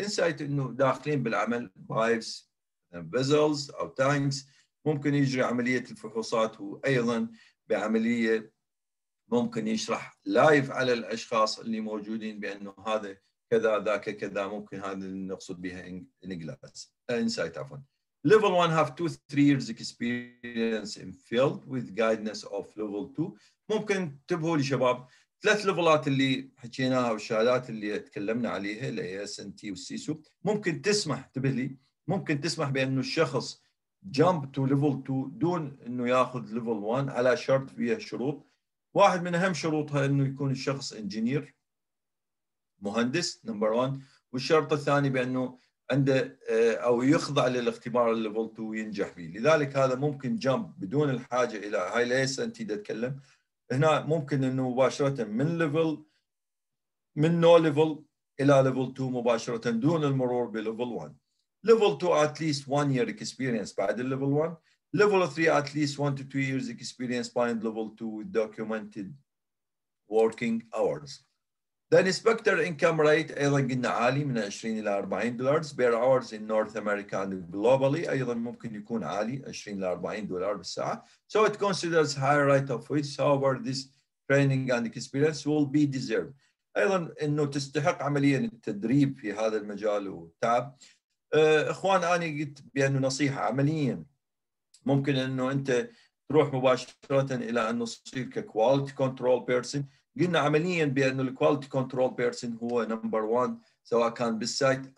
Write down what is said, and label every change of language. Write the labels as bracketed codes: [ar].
[ar] انسايت انه داخلين بالعمل بايبس بيزلز او تانكس ممكن يجري عمليه الفحوصات وايضا بعمليه ممكن يشرح لايف على الاشخاص اللي موجودين بانه هذا كذا ذاك كذا ممكن هذا نقصد بها انجلاس انسايت عفوا. [en] Level 1 have 2-3 years experience in field with guidance of level 2. [ar] ممكن تبهوا لي شباب ثلاث ليفلات اللي حكيناها والشهادات اللي تكلمنا عليها الـ ASNT والسيسو ممكن تسمح تبه لي ممكن تسمح بأنه الشخص [en] jump to level 2 [ar] دون أنه ياخذ level 1 على شرط فيها شروط. واحد من أهم شروطها أنه يكون الشخص engineer مهندس number 1 والشرط الثاني بأنه عنده أو يخضع للاختبار الليفل 2 وينجح فيه. لذلك هذا ممكن جمب بدون الحاجة إلى هاي ليس أنت تتكلم هنا ممكن أنه مباشرة من ليفل من نو ليفل إلى ليفل 2 مباشرة دون المرور بليفل 1. [en] ليفل 2 at least 1 year experience [ar] بعد الليفل 1. [en] ليفل 3 at least 1 to 2 years experience behind level 2 with documented working hours. The inspector income rate [ar] أيضا قلنا عالي من 20 إلى 40 دولار بير [en] hours in North America and globally [ar] أيضا ممكن يكون عالي 20 إلى 40 دولار بالساعة. [en] So it considers higher rate of wage. However, this training and experience will be deserved. [ar] أيضا إنه تستحق عمليا التدريب في هذا المجال وتعب. إخوان أنا قلت بأنه نصيحة عمليا ممكن إنه أنت تروح مباشرة إلى أنه تصير ككواليتي كنترول بيرسون. قلنا عمليا بأن الكواليتي كنترول بيرسون هو نمبر 1 سواء كان بالسايت.